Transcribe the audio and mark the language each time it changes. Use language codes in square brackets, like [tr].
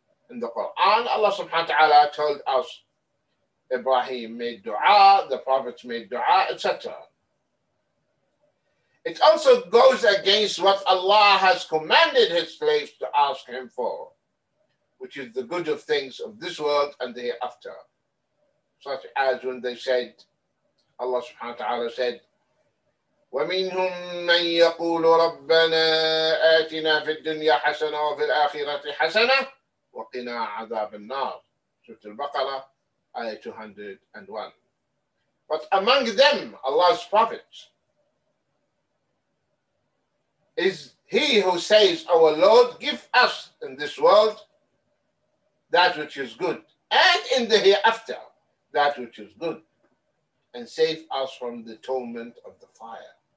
[en] In the Quran, Allah subhanahu wa ta'ala told us, Ibrahim made dua, the prophets made dua, etc. It also goes against what Allah has commanded his slaves to ask him for, which is the good of things of this world and the hereafter. Such as when they said, Allah subhanahu wa ta'ala said, [ar] وَمِنْهُمْ مَنْ يَقُولُ رَبَّنَا آتِنَا فِي الدُّنْيَا حَسَنَةً وَفِي الْآخِرَةِ حَسَنَةً وَقِنَا عَذَابَ النَّارِ. [en] Surah Al-Baqarah, ayah 201. But among them, Allah's prophet, is he who says, our Lord, give us in this world that which is good, and in the hereafter that which is good, and save us from the torment of the fire.